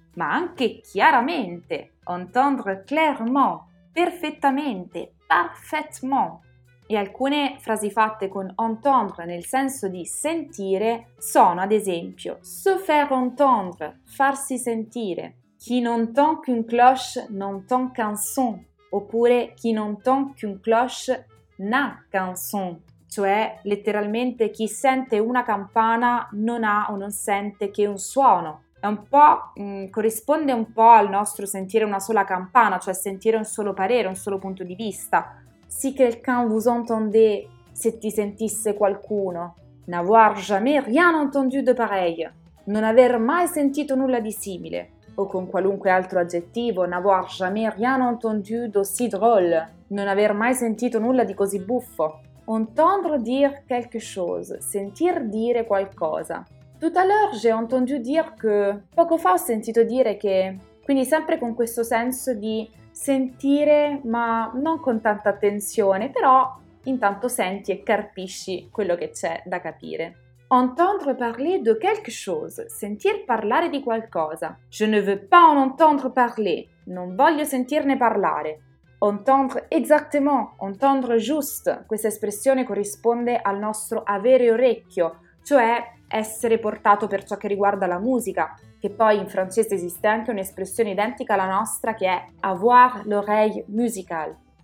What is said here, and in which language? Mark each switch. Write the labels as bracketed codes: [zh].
[it] Ma anche chiaramente, [fr] entendre clairement, [it] perfettamente, parfaitement. E alcune frasi fatte con entendre nel senso di sentire sono, ad esempio, [fr] se faire entendre, [it] farsi sentire. [fr] Chi non tend qu'une cloche, non tend qu'un son. Oppure, chi non tend qu'une cloche, n'a qu'un son. [it] Cioè, letteralmente, chi sente una campana non ha o non sente che un suono. È un po', corrisponde un po' al nostro sentire una sola campana, cioè sentire un solo parere, un solo punto di vista. [fr] Si quelqu'un vous entendait, [it] se ti sentisse qualcuno. [fr] N'avoir jamais rien entendu de pareil. [it] Non aver mai sentito nulla di simile. O con qualunque altro aggettivo, [fr] n'avoir jamais rien entendu d'aussi drôle, [it] non aver mai sentito nulla di così buffo. [fr] Entendre dire quelque chose, [it] sentir dire qualcosa. [fr] Tout à l'heure j'ai entendu dire que, [it] poco fa ho sentito dire che, quindi sempre con questo senso di sentire ma non con tanta attenzione, però intanto senti e capisci quello che c'è da capire. [fr] Entendre parler de quelque chose, [it] sentir parlare di qualcosa. [fr] Je ne veux pas en entendre parler, [it] non voglio sentirne parlare. [fr] Entendre exactement, entendre juste, [it] questa espressione corrisponde al nostro avere orecchio, cioè essere portato per ciò che riguarda la musica, che poi in francese esiste anche un'espressione identica alla nostra che è [fr] avoir l'oreille musicale.